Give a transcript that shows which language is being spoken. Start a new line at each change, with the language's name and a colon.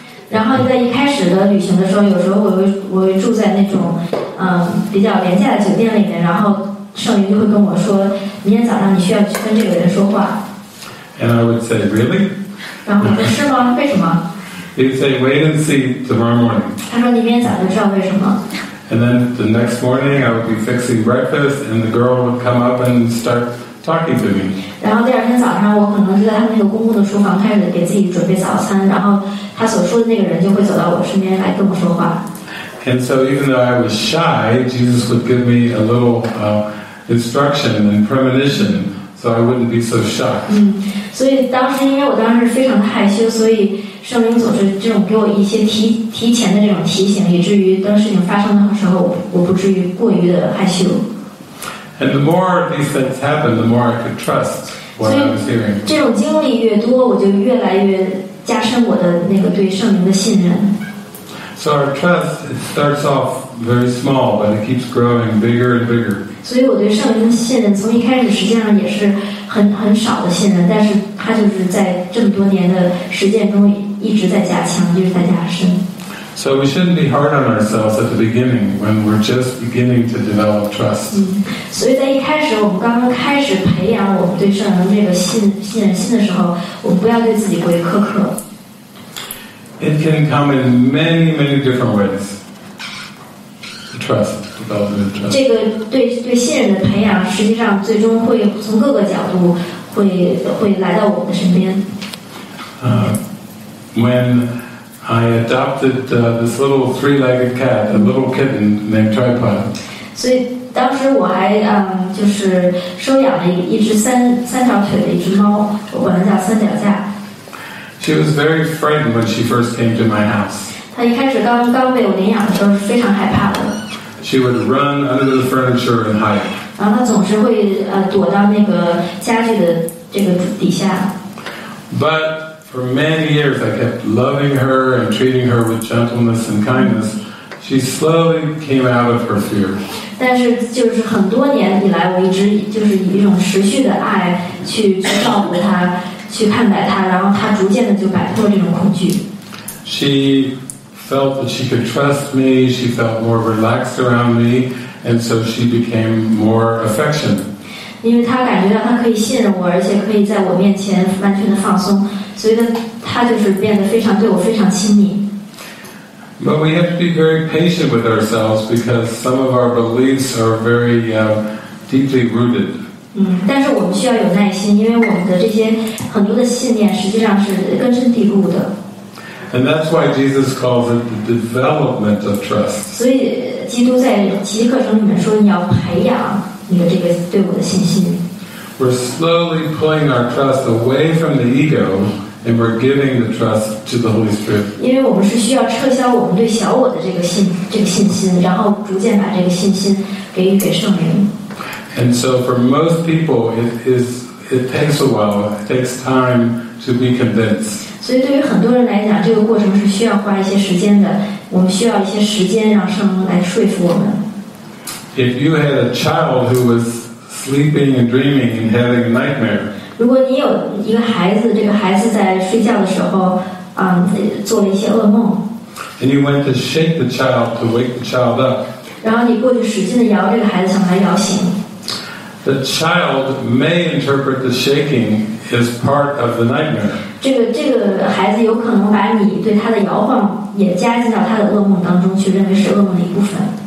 Chinese: 然后在一开始的旅行的时候，有时候我会住在那种比较廉价的酒店里面，然后圣灵就会跟我说，明天早上你需要去跟这个人说话。
English: And I would say, really?
Chinese: 然后我说是吗？为什么？
English: He'd say, wait and see tomorrow morning.
Chinese: 他说你明天早上知道为什么。
English: And then the next morning, I would be fixing breakfast, and the girl would come up and start talking to me.
Chinese: 然后第二天早上，我可能就在他那个公共的书房开始给自己准备早餐，然后他所说的那个人就会走到我身边来跟我说话。
English: And so even though I was shy, Jesus would give me a little instruction and premonition, so I wouldn't be so shocked.
Chinese: 所以当时因为我当时非常的害羞，所以圣灵总是这种给我一些提前的这种提醒，以至于当事情发生的时候，我不至于过于的害羞。
English: And the more these things happen, the more I could trust what I was hearing.
Chinese: 这种经历越多，我就越来越加深我的那个对圣灵的信任。
English: So our trust starts off very small, but it keeps growing bigger and bigger.
Chinese: 所以我对圣灵的信任从一开始实际上也是很少的信任，但是他就是在这么多年的实践中一直在加强，一直在加深。
English: So we shouldn't be hard on ourselves at the beginning when we're just beginning to develop trust.
Chinese: 所以在一开始我们刚刚开始培养我们对圣灵这个信任的时候，我们不要对自己过于苛刻。
English: It can come in many, many different ways. Trust, development of trust.
Chinese: 这个对信任的培养，实际上最终会从各个角度会来到我们的身边。
English: When I adopted this little three-legged cat, a little kitten named Tripod.
Chinese: 所以当时我还就是收养了一只三条腿的一只猫，我管它叫三脚架。
English: She was very frightened when she first came to my house.
Chinese: 她一开始刚被我领养的时候是非常害怕的。
English: She would run under the furniture and hide.
Chinese: 然后她总是会躲到那个家具的这个底下。
English: But for many years, I kept loving her and treating her with gentleness and kindness. She slowly came out of her fear.
Chinese: 但是就是很多年以来，我一直就是以一种持续的爱去照顾她。去看待他，然后他逐渐的就摆脱这种恐惧。
English: She felt that she could trust me. She felt more relaxed around me, and so she became more affectionate.
Chinese: 因为他感觉到他可以信任我，而且可以在我面前完全的放松，所以他就是变得非常对我非常亲密。
English: But we have to be very patient with ourselves because some of our beliefs are very deeply rooted.
Chinese: 但是我们需要有耐心，因为我们的这些很多的信念实际上是根深蒂固的。
English: And that's why Jesus calls it the development of trust.
Chinese: 所以基督在奇迹课程里面说，你要培养你的这个对我的信心。
English: We're slowly pulling our trust away from the ego, and we're giving the trust to the Holy Spirit.
Chinese: 因为我们是需要撤销我们对小我的这个信心，然后逐渐把这个信心给圣灵。
English: And so for most people, it takes a while, it takes time to be convinced.
Chinese: 所以对于很多人来讲，这个过程是需要花一些时间的。我们需要一些时间让圣灵来说服我们。
English: If you had a child who was sleeping and dreaming and having a nightmare,
Chinese: 如果你有一个孩子，这个孩子在睡觉的时候，做了一些噩梦。
English: And you went to shake the child to wake the child up.
Chinese: 然后你过去使劲地摇这个孩子，想把他摇醒。
English: The child may interpret the shaking as part of the nightmare.
Chinese: 这个孩子有可能把你对他的摇晃也加进到他的噩梦当中去，认为是噩梦的一部分。